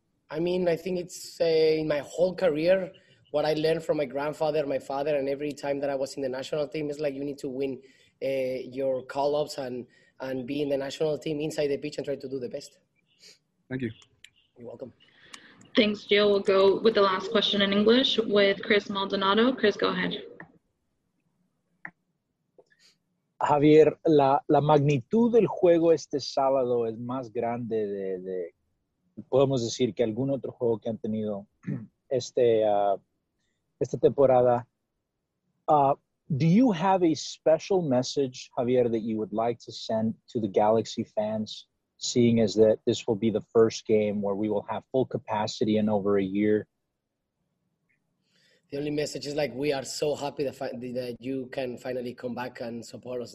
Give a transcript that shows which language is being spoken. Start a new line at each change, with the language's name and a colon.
English: I mean, I think it's in my whole career, what I learned from my grandfather, my father, and every time that I was in the national team is like you need to win your call-ups and be in the national team inside the pitch and try to do the best. Thank you. You're welcome. Thanks, Gio. We'll go with the last question in English with Chris Maldonado. Chris, go ahead.
Spanish: Javier, la magnitud del juego este sábado es más grande de podemos decir que algún otro juego que han tenido esta temporada.
English: Do you have a special message, Javier, that you would like to send to the Galaxy fans, seeing as that this will be the first game where we will have full capacity in over a year? The only message is like, we are so happy that you can finally come back and support us.